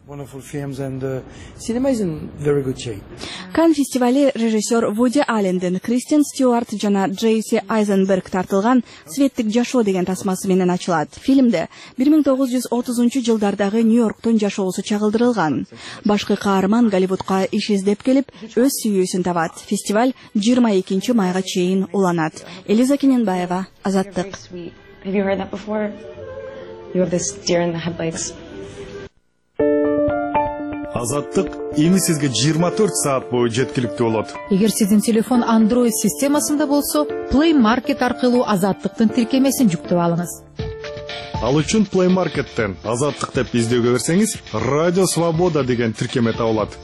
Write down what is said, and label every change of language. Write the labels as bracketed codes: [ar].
[ky] Кан фестивале режиссер Вуди Аллендин, Кристиан Стюарт жана Джейси Айзенберг тартылган «Светтик жашоо» деген тасмасы менен ачылат. Фильмде 1930-жу жылдардагы Нью-Йорктун жашоосу чагылдырылган. Башкы каарман Голливудка иш издеп келип, өз сүйүүсүн табат. Фестиваль 22 майга чейин уланат. Элиза Кененбаева, Азаттык. [en] You have this deer in the headlights. [ky] Азаттык эми сизге 24 саат бою жеткиликтүү болот. Эгер сиздин телефон Android системасында болсо, Play Market аркылуу Азаттыктын тиркемесин жүктөп алыңыз. Ал үчүн Play Market'тен Азаттык деп издөөгө берсеңиз, Радио Свобода деген тиркеме табылат.